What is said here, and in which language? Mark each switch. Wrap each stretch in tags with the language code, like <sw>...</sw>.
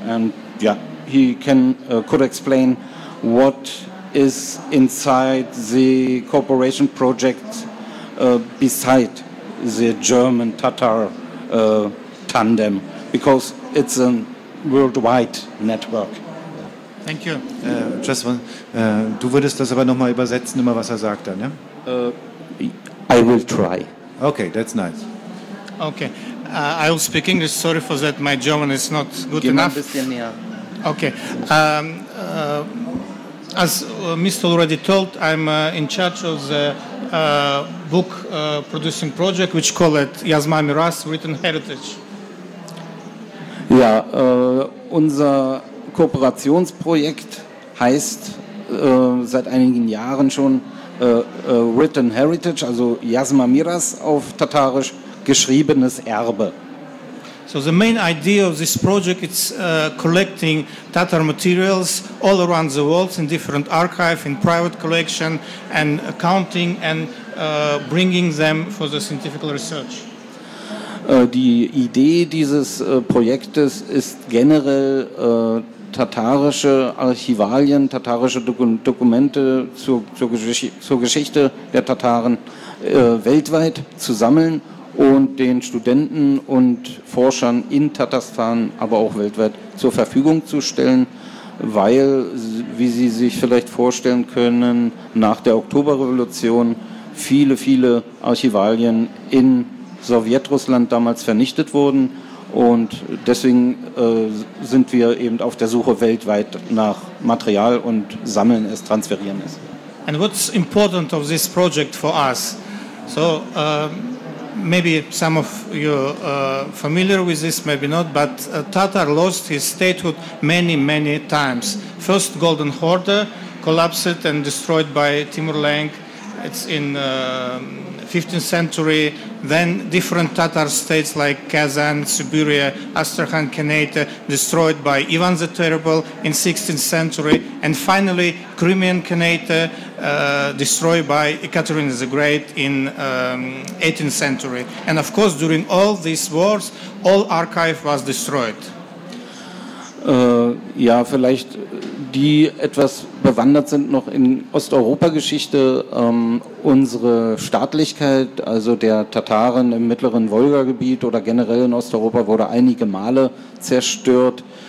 <en>And yeah, he can could explain what is inside the cooperation project beside the German-Tatar tandem, because it's a worldwide network. Thank you.</en> <de>Du würdest das aber nochmal übersetzen, immer was er sagt dann, ja?</de> <en>I will try. Okay, that's nice. Okay, I will speak English. Sorry for that, my German is not good enough. Give me a</en> <de>bisschen mehr.</de> <en>Okay. As Mr. already told, I'm in charge of the book producing project, which called Yasma Miras, Written Heritage.</en> <de>Ja, unser Kooperationsprojekt heißt seit einigen Jahren schon Written Heritage, also Yasma Miras auf Tatarisch, geschriebenes Erbe.</de> <en>So the main idea of this project is collecting Tatar materials all around the world in different archives, in private collection, and accounting and bringing them for the scientific research.</en> <de>Die Idee dieses Projektes ist generell, tatarische Archivalien, tatarische Dokumente zur Geschichte der Tataren weltweit zu sammeln und den Studenten und Forschern in Tatarstan, aber auch weltweit, zur Verfügung zu stellen, weil, wie Sie sich vielleicht vorstellen können, nach der Oktoberrevolution viele, viele Archivalien in Sowjetrussland damals vernichtet wurden, und deswegen sind wir eben auf der Suche weltweit nach Material und sammeln es, transferieren es.</de> <en>And what's important of this project for us? So, maybe some of you are familiar with this, maybe not, but Tatar lost his statehood many, many times. First Golden Horde collapsed and destroyed by Timur Lenk. It's in 15th century. Then different Tatar states like Kazan, Siberia, Astrakhan, Khanate, destroyed by Ivan the Terrible in 16th century. And finally, Crimean Khanate, destroyed by Ekaterina the Great in 18th century. And of course, during all these wars, all archive was destroyed.</en> <de>Ja, vielleicht die etwas bewandert sind noch in Osteuropa-Geschichte. Unsere Staatlichkeit, also der Tataren im mittleren Wolga-Gebiet oder generell in Osteuropa, wurde einige Male zerstört.</de>